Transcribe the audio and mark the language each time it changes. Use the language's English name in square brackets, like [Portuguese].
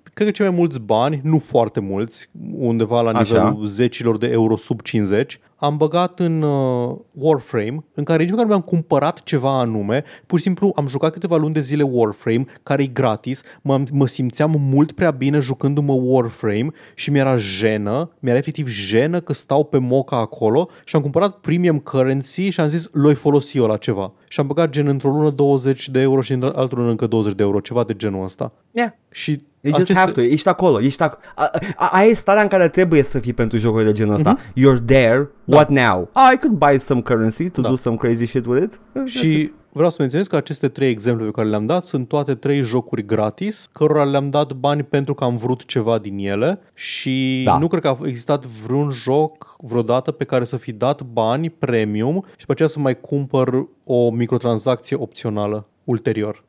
[Romanian] cred că cei mai mulți bani, nu foarte mulți, undeva la nivelul zecilor de euro sub 50, am băgat în Warframe, în care nici măcar mi-am cumpărat ceva anume, pur și simplu am jucat câteva luni de zile Warframe, care e gratis, mă simțeam mult prea bine jucându-mă Warframe și mi-era jenă, mi-era efectiv jenă că stau pe moca acolo și am cumpărat premium currency și am zis, l-oi folosi eu la ceva. Și am băgat gen într-o lună 20 de euro și într-o lună încă 20 de euro, ceva de genul ăsta. [English] Yeah. [Romanian] Și [English] you just have to, [Romanian] ești acolo, ești acolo. Aia e starea în care trebuie să fii pentru jocuri de genul ăsta. [English] You're there, what now? I could buy some currency to do some crazy shit with it. [Romanian] Și vreau să menționez că aceste trei exemple pe care le-am dat sunt toate trei jocuri gratis, cărora le-am dat bani pentru că am vrut ceva din ele. Și nu cred că a existat vreun joc vreodată pe care să fi dat bani premium și pe aceea să mai cumpăr o microtransacție opțională ulterior.